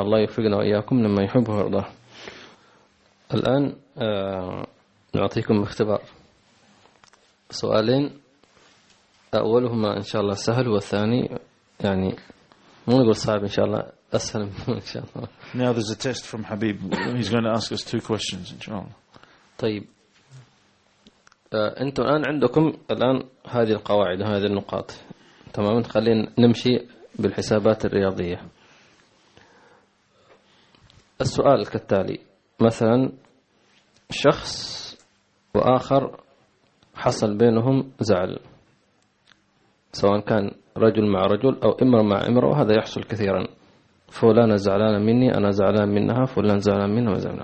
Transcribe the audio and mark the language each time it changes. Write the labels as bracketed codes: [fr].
[ar] الله يوفقنا وإياكم لما يحبه ويرضاه. الآن نعطيكم اختبار، سؤالين، أولهما إن شاء الله سهل، والثاني يعني مو نقول صعب، إن شاء الله أسهل إن شاء الله. [en] Now there's a test from Habib. He's going to ask us two questions [ar] إن شاء الله. طيب أنتم الآن عندكم الآن هذه القواعد، هذه النقاط، تمام؟ خلينا نمشي بالحسابات الرياضية. السؤال كالتالي: مثلا شخص وآخر حصل بينهم زعل، سواء كان رجل مع رجل أو امرأة مع امرأة، وهذا يحصل كثيرا، فلان زعلان مني، أنا زعلان منها، فلان زعلان منها، زعلان.